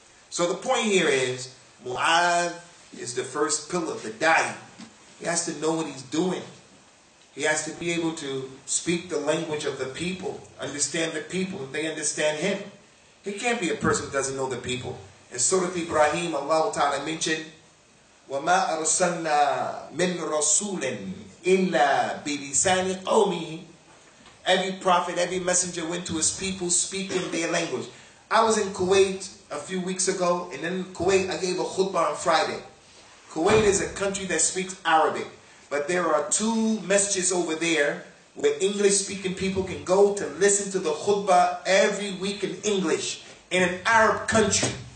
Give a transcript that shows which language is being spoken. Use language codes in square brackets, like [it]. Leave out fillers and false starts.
[en] So the point here is, Mu'adh is the first pillar, the dawah. He has to know what he's doing. He has to be able to speak the language of the people, understand the people, and they understand him. He can't be a person who doesn't know the people. In Surah Ibrahim, Allah Ta'ala mentioned, [ar] وَمَا أَرْسَلْنَا مِنْ رَسُولٍ إِلَّا بِلِسَانِ قَوْمِهِ. [en] Every prophet, every messenger went to his people speaking their language. I was in Kuwait a few weeks ago, and in Kuwait I gave a khutbah on Friday. Kuwait is a country that speaks Arabic, but there are two messages over there where English-speaking people can go to listen to the khutbah every week in English in an Arab country.